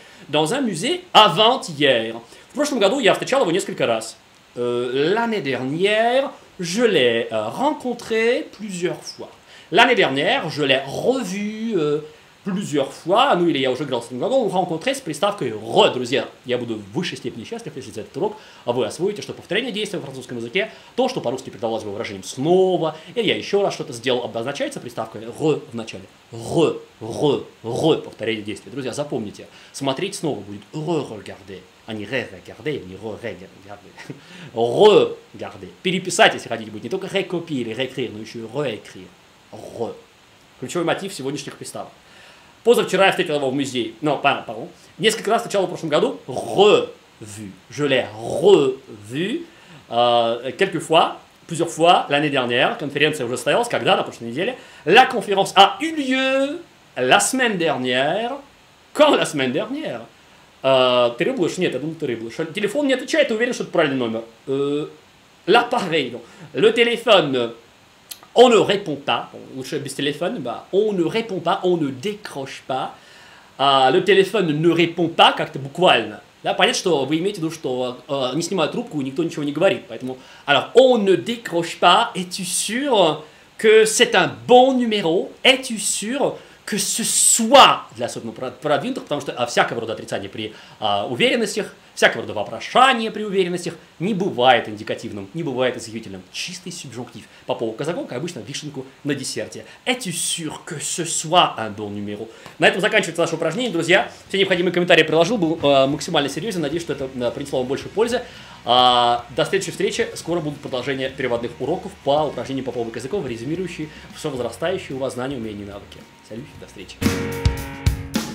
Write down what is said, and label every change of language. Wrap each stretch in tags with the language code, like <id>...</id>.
<fr>Dans un musée avant-hier.</fr> <ru>В прошлом году я встречал его несколько раз.</ru> <fr>L'année dernière, je l'ai rencontré plusieurs fois. L'année dernière, je l'ai revu plusieurs fois.</fr> <ru>Ну или я уже играл с этим глаголом. Rencontrer, с приставкой re, друзья. Я буду в высшей степени счастлив, если за этот урок вы освоите, что повторение действия в французском языке, то, что по-русски передавалось бы выражением снова, или я еще раз что-то сделал, обозначается приставкой re в начале. Re, re, re, повторение действия. Друзья, запомните, смотреть снова будет re-regarder. Они re-regarder, не re-regarder. Re-garder. Переписать, если хотите, будет не только re-copier или re-écrire, но еще и re-écrire. Re. Ключевой мотив сегодняшних приставок. Позавчера я встретил его в музее. Несколько раз, сначала в прошлом году, revu.</ru> <fr>Je l'ai revu. Quelques fois, plusieurs fois, l'année dernière.</fr> <ru>Конференция уже состоялась. Когда? На прошлой неделе.</ru> <fr>La conférence a eu lieu la semaine dernière. Quand la semaine dernière?</fr> <ru>Ты рыблыш? Нет, я думал, ты рыблыш. Телефон не отвечает, уверен, что это правильный номер.</ru> <fr>L'appareil. Le téléphone. On ne répond pas.</fr> <ru>Лучше без телефона.</ru> <fr>On ne répond pas. On ne décroche pas. Le téléphone ne répond pas.</fr> <ru>Как-то буквально. Да, понятно, что вы имеете в виду, что не снимают трубку и никто ничего не говорит.</ru> <fr>Поэтому, alors, on ne décroche pas. Es-tu sûr que c'est un bon numéro? Es-tu sûr que ce soit?</fr> <ru>Для особенно продвинутых, потому что всякого рода отрицания при уверенностях, всякого рода вопрошания при уверенностях не бывает индикативным, не бывает изъявительным. Чистый субъюнктив. Попова Казаков, как обычно, вишенку на десерте.</ru> <fr>Es-tu sûr que ce soit un bon numéro?</fr> <ru>На этом заканчивается наше упражнение, друзья. Все необходимые комментарии приложил, был максимально серьезен. Надеюсь, что это принесло вам больше пользы. До следующей встречи. Скоро будут продолжения переводных уроков по упражнению Попова Казакова, резюмирующие все возрастающие у вас знания, умения и навыки. Салют, до встречи.</ru>